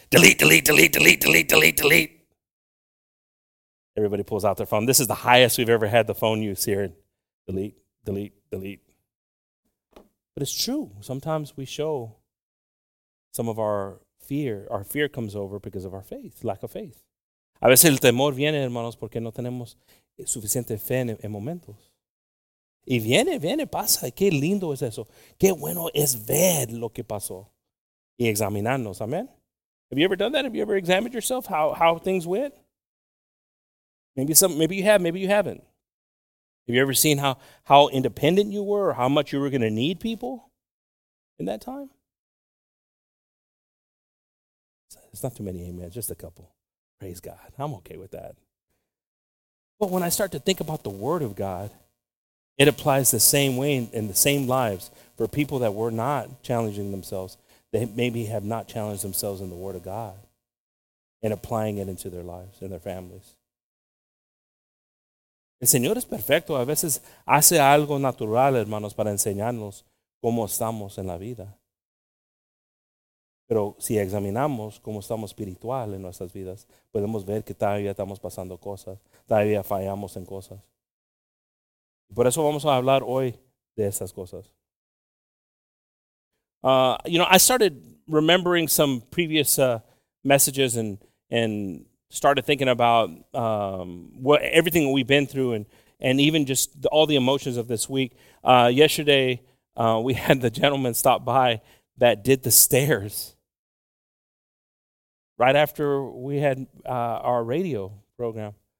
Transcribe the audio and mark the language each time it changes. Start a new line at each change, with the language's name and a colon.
English: Delete, delete, delete, delete, delete, delete, delete. Everybody pulls out their phone. This is the highest we've ever had the phone use here. Delete, delete, delete. But it's true. Sometimes we show some of our fear. Our fear comes over because of our faith, lack of faith.
Spanish: A veces el temor viene, hermanos, porque no tenemos suficiente fe en momentos. Y viene, viene, pasa. Qué lindo es eso. Qué bueno es ver lo que pasó. Y examinarnos, amen.
English: Have you ever done that? Have you ever examined yourself? How things went? Maybe you have, maybe you haven't. Have you ever seen how independent you were or how much you were going to need people in that time? It's not too many amens, just a couple. Praise God. I'm okay with that. But when I start to think about the Word of God, it applies the same way in the same lives for people that were not challenging themselves. They maybe have not challenged themselves in the Word of God and applying it into their lives and their families.
Spanish: El Señor es perfecto. A veces hace algo natural, hermanos, para enseñarnos cómo estamos en la vida. Pero si examinamos cómo estamos espiritual en nuestras vidas, podemos ver que todavía estamos pasando cosas, todavía fallamos en cosas. Por eso vamos a hablar hoy de esas cosas.
English: You know, I started remembering some previous messages and started thinking about what everything we've been through and even just all the emotions of this week. Yesterday, we had the gentleman stop by that did the stairs right after we had our radio program.